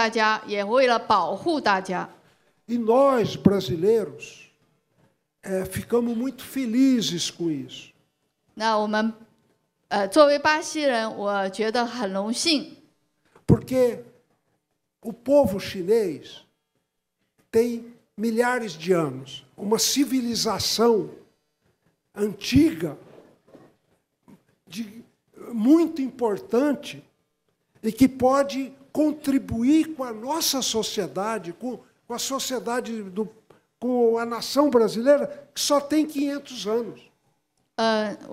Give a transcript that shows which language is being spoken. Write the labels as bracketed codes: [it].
[zh] 所以商会的作用是团结大家，然后促进大家，推动大家，也为了保护大家。 [pt] E nós, brasileiros, ficamos muito felizes com isso. [zh] 那我们 作为巴西人，我觉得很荣幸。 [pt] Porque o povo chinês tem milhares de anos, uma civilização antiga, muito importante, e que pode contribuir com a nossa sociedade, com a sociedade, com a nação brasileira, que só tem 500 anos.